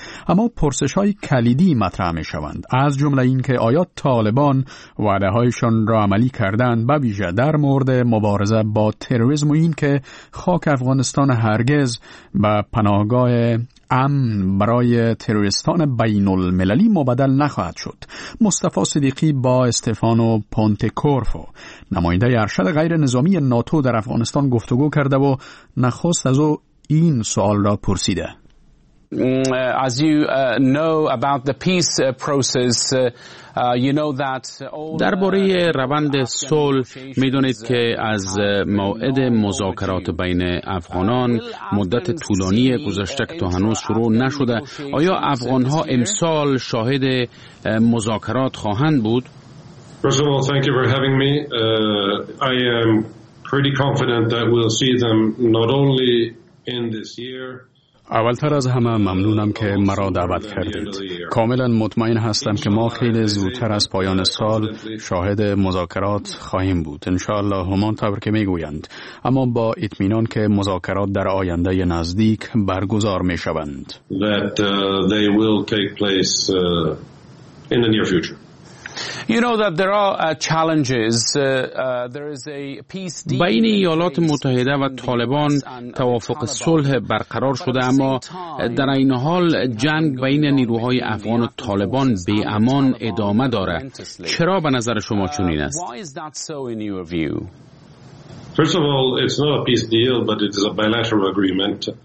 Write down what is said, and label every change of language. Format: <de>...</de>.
<fa>اما پرسش‌های کلیدی مطرح می‌شوند، از جمله اینکه آیا طالبان وعده‌هایشان را عملی کردند، به ویژه در مورد مبارزه با تروریسم و اینکه خاک افغانستان هرگز به پناهگاه امن برای تروریستان بین المللی مبدل نخواهد شد. مصطفی صدیقی با استفانو پونتکورفو نماینده ارشد غیر نظامی ناتو در افغانستان گفتگو کرده و نخست از او این سوال را پرسیده.</fa> <en>As you know about the peace process, you know that</en> <fa>درباره روند صلح میدونید که از موعد مذاکرات بین افغانان مدت طولانی گذشته که تا هنوز شروع نشده. آیا افغان ها امسال شاهد مذاکرات خواهند بود؟</fa> <en>First of all, thank you for having me. I am pretty confident that we'll see them not only in this year.</en> <fa>اولتر از همه ممنونم که مرا دعوت کردید. کاملا مطمئن هستم که ما خیلی زودتر از پایان سال شاهد مذاکرات خواهیم بود. انشاءالله همان طور که میگویند. اما با اطمینان که مذاکرات در آینده نزدیک برگزار میشوند.</fa> <en>That they will take place in the near future. You know that there are challenges. There is a peace deal.</en> <fa>بین ایالات متحده و طالبان توافق صلح برقرار شده، اما در این حال جنگ بین نیروهای افغان و طالبان به امان ادامه دارد. چرا به نظر شما چنین است؟</fa> <en>First of all, it's not a peace deal, but it is a bilateral agreement.</en>